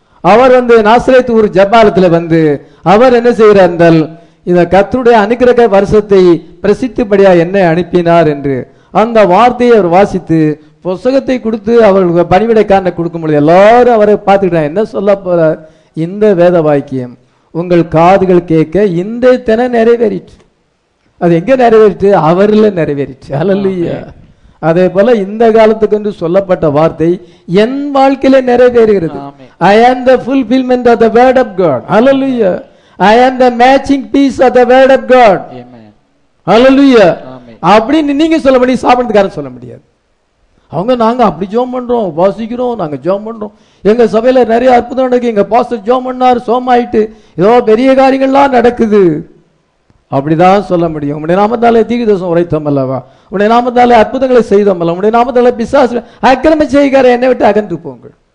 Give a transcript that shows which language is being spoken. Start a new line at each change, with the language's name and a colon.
Tamil: அவர் வந்து நாசரேத்து ஊர் ஜபாலத்துல வந்து அவர் என்ன செய்கிறார் என்றால், இந்த கர்த்தருடைய அனுகிரக வருஷத்தை பிரசித்திப்படியா என்ன அனுப்பினார் என்று அந்த வார்த்தையை அவர் வாசித்து புஸ்தகத்தை கொடுத்து அவர்களுக்கு பணிவிடைக்காரனை கொடுக்கும் பொழுது எல்லாரும் அவரை பார்த்துக்கிட்டாங்க. என்ன சொல்ல போற, இந்த வேத வாக்கியம் உங்கள் காதுகள் கேட்க இந்த தினம் நிறைவேறிட்டு. அது எங்க நிறைவேறிட்டு? அவர்ல நிறைவேறிட்டு. அல்லேலூயா. அதே போல இந்த காலத்துக்கு என்று சொல்லப்பட்ட வார்த்தை என் வாழ்க்கையில நிறைவேறுகிறது.
English: I am the fulfillment of the word of God. Hallelujah. I am the matching piece of the word of God. Amen. Hallelujah.
Tamil: அப்படி நீங்க சொல்ல முடியும், சாப்பிட்டுக்காரன் சொல்ல முடியாது. அவங்க நாங்க அப்படி ஜோம் பண்றோம், வாசிக்கிறோம், நாங்க ஜோம் பண்றோம், எங்க சபையில நிறைய அற்புதம் நடக்கு, எங்க பாஸ்டர் ஜோம் பண்ணார், சோம் ஆயிட்டு ஏதோ பெரிய காரியங்கள்லாம் நடக்குது, அப்படிதான் சொல்ல முடியும். உன்னை நாமத்தாலே தீர்க்கதரிசனம் உரைத்தோம் அல்லவா, உன்னை நாமத்தாலே அற்புதங்களை செய்தோம் அல்ல, உன்னை நாமத்தாலே பிசாசு அக்கிரம செய்கிற என்னை விட்டு அகன்று போங்கள்.